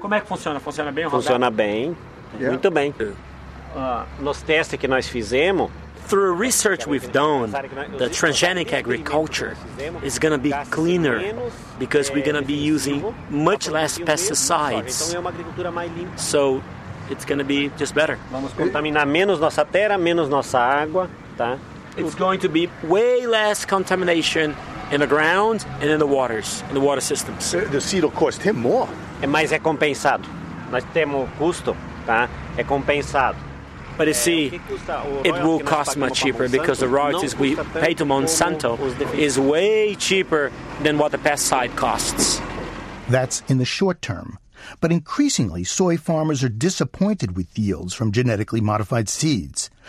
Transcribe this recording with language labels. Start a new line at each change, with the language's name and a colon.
Portuguese: Como é que funciona? Funciona bem, Roberto? Funciona bem. Yeah. Muito bem. Nos testes que nós fizemos...
English: Through research we've done, the transgenic agriculture is going to be cleaner because we're going to be using much less pesticides. So it's going to be just better.
Portuguese: Vamos contaminar menos nossa terra, menos nossa água, tá?
English: It's going to be way less contamination in the ground and in the waters, in the water systems. The seed will cost him more.
Portuguese: É mais recompensado. Nós temos custo, tá? É compensado.
English: But you see, it will cost much cheaper because the royalties we pay to Monsanto is way cheaper than what the pesticide costs. That's in the short term. But increasingly, soy farmers are disappointed with yields from genetically modified seeds.